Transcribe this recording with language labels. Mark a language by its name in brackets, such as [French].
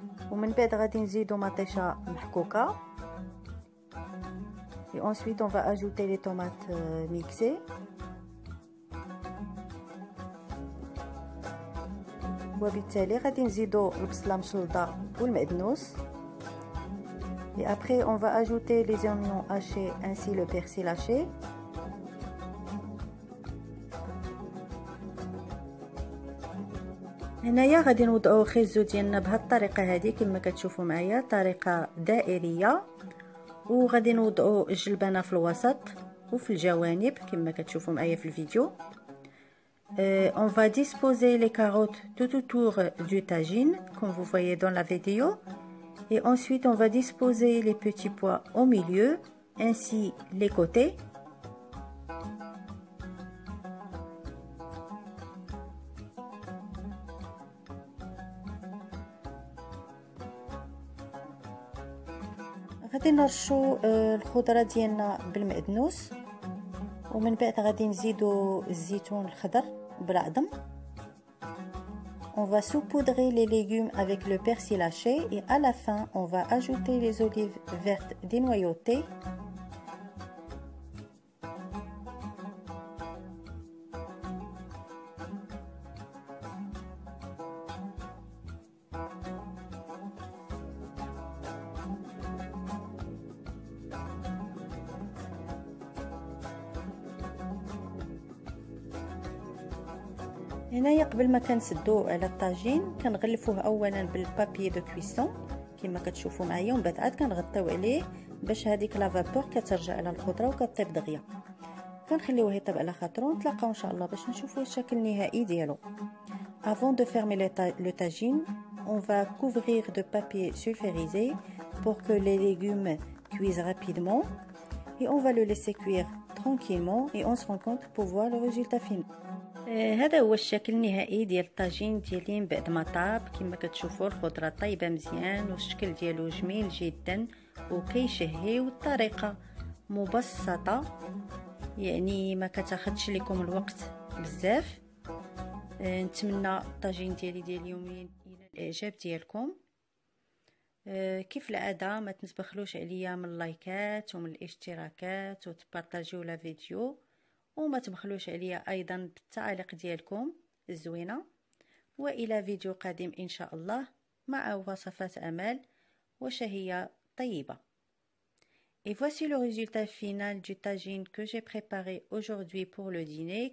[Arabic] ومن بعد غادي نزيدو مطيشه محكوكه. [French] Et ensuite on va ajouter les tomates mixées. [Arabic] وبالتالي غادي نزيدو البصله مشلطه والمعدنوس. [French] Et après on va ajouter les oignons hachés ainsi le persil haché. [Arabic] هنايا غادي نوضعو خيزو ديالنا بهالطريقه هذه كما كتشوفوا معايا طريقه دائريه. وغادي نوضعو الجلبانه في الوسط وفي الجوانب كما كتشوفوا معايا في الفيديو. [French] On va disposer les carottes tout autour du tagine, comme vous voyez dans la vidéo. Et ensuite, on va disposer les petits pois au milieu, ainsi les côtés. [Arabic] غادي نرشو الخضرة ديالنا بالمعدنوس. ومن بعد غادي نزيدو الزيتون الخضر. [French] On va saupoudrer les légumes avec le persil haché et à la fin on va ajouter les olives vertes dénoyautées. [Arabic] هنايا قبل ما كنسدو على الطاجين كنغلفوه اولا بالبابيي دو كويسون كما كتشوفوا معايا ومن بعد عاد كنغطيو عليه باش هذيك لافابور كترجع على الخضره وكطيب دغيا. كنخليوه يطيب على خاطرو ونتلاقاو ان شاء الله باش نشوفوا الشكل النهائي ديالو. [French] avant de fermer le tagine on va couvrir de papier sulfurisé pour que les légumes cuisent rapidement et on va le laisser cuire tranquillement et on se rend compte pour voir le résultat final. [Arabic] هذا هو الشكل النهائي ديال الطاجين ديالي من بعد ما طاب. كما كتشوفوا الخضره طايبه مزيان والشكل ديالو جميل جدا وكيشهي والطريقه مبسطه يعني ما كتاخذش لكم الوقت بزاف. نتمنى الطاجين ديالي ديال اليوم ينال الاعجاب ديالكم. كيف العاده ما تنسبخلوش عليا من اللايكات ومن الاشتراكات وتبارطاجيو لا فيديو وما تبخلوش عليا ايضا بالتعليق ديالكم الزوينه. والى فيديو قادم ان شاء الله مع وصفات امال وشهية طيبه. [French] Et voici le résultat final du tagine que j'ai préparé aujourd'hui pour le dîner.